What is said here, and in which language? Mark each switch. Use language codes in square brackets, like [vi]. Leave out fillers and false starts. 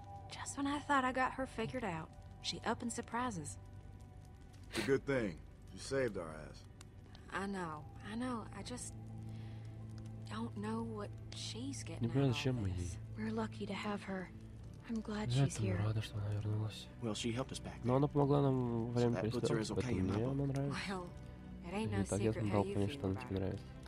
[en] Just when I thought I got her figured out, she up and surprises. It's a good thing. You saved our ass. I know. I just don't know what she's getting out of all this. We're lucky to have her. I'm glad she's here. [ru] Рада, что она вернулась. [en] Well, she helped us back. [ru] Но она помогла нам во время перестрелки. Мне нравится. [en] Well, it ain't no secret how you feel about it.